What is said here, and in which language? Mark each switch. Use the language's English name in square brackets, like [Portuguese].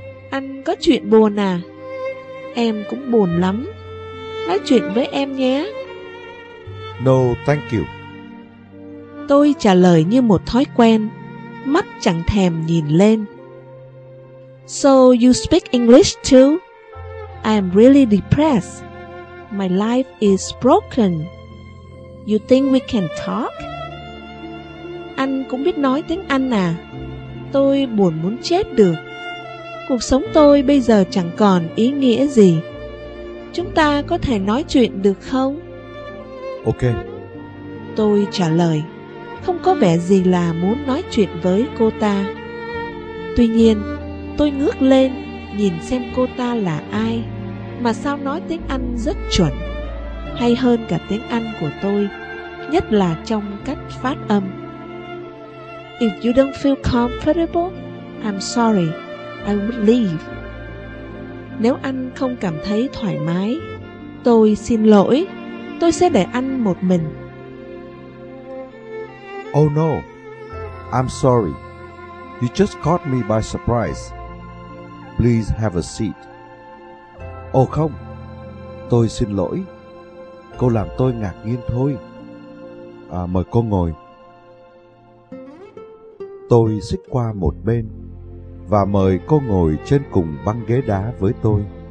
[Vietnamese] Anh có chuyện buồn à? Em cũng buồn lắm. Nói chuyện với em nhé. [English] No, thank you. [Vietnamese] Tôi trả lời như một thói quen, mắt chẳng thèm nhìn lên. [English] So you speak English too? I'm really depressed. My life is broken. You think we can talk? [Vietnamese] Anh cũng biết nói tiếng Anh à? Tôi buồn muốn chết được. Cuộc sống tôi bây giờ chẳng còn ý nghĩa gì. Chúng ta có thể nói chuyện được không? [English] Ok. [Vietnamese] Tôi trả lời, không có vẻ gì là muốn nói chuyện với cô ta. Tuy nhiên, tôi ngước lên nhìn xem cô ta là ai, mà sao nói tiếng Anh rất chuẩn, hay hơn cả tiếng Anh của tôi, nhất là trong cách phát âm. [English] If you don't feel comfortable, I'm sorry, I would leave. [Vietnamese] Nếu anh không cảm thấy thoải mái, tôi xin lỗi, tôi sẽ để anh một mình. [English] Oh no, I'm sorry, you just caught me by surprise. Please have a seat. [Vietnamese] Ồ không, tôi xin lỗi, cô làm tôi ngạc nhiên thôi. À, mời cô ngồi. Tôi xích qua một bên và mời cô ngồi trên cùng băng ghế đá với tôi.